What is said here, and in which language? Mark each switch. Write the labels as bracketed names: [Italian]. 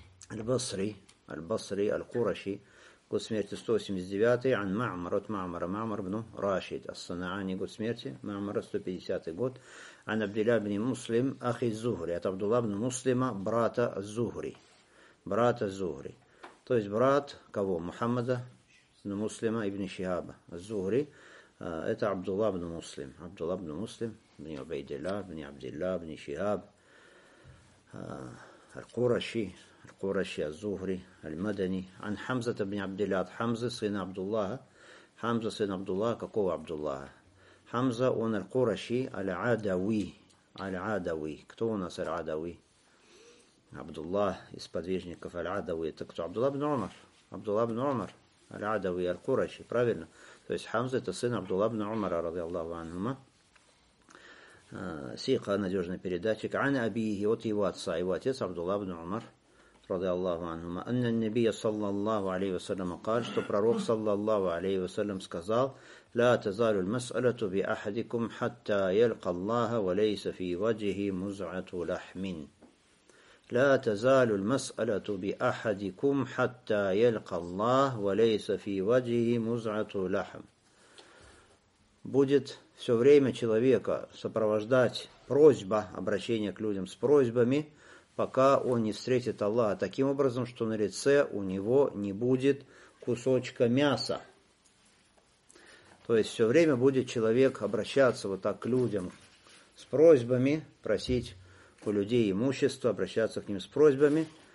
[Arabic] البصري القرشي قد سمرت 179 عن معمر معمر بن راشد الصنعاني قد سمرت معمر 150 год عن عبد الله بن مسلم أخي الزهري это عبد الله بن مسلم брата الزهري [Russian] То есть брат кого? Мухаммада, ну, Муслима ибн Шихаба, Зухри. Это Абдулла ибн Муслим. Абдулла ибн Муслим, ибн Убейдилла, ибн Абдилла, ибн Шихаб. Аль-Кураши, Зухри, Аль-Мадани. Ан Хамзата ибн Абдилла, от Хамзы, сына Абдуллаха. Хамза, сын Абдуллаха, какого Абдуллаха? Хамза, он Аль-Кураши, Аль-Адави. Аль-Адави. Кто у нас Аль-Адави? Абдуллах из подвижников Аль-Адави. Это кто? Абдулла ибн Умар. Абдулла ибн Умар. Аль-Адави, Аль-Кураши. Правильно? То есть Хамза это сын Абдулла ибн Умара, ради Аллаху анхума. Сиха, надежный передатчик. Ана Абихи, от его отца. Его отец Абдулла ибн Умар, ради Аллаху анхума. Анна Ан-Набия, саллаллаху алейхи ва саллям, قال, что пророк, саллаллаху алейхи ва саллям, сказал, «Ла тазалю аль-мас'алату би ахадикум, хатта ялька Аллаха, ва лейса фи ваджихи муз'ату лахмин». [Arabic] لا تزال المسألة بأحدكم حتى يلقى الله وليس في وجهه مزعة لحم. [Russian] Будет все время человека сопровождать просьба, обращение к людям с просьбами, пока он не встретит Аллаха таким образом, что на лице у него не будет кусочка мяса. То есть все время будет человек обращаться вот так к людям с просьбами, просить у людей имущество, обращаться к ним с просьбами.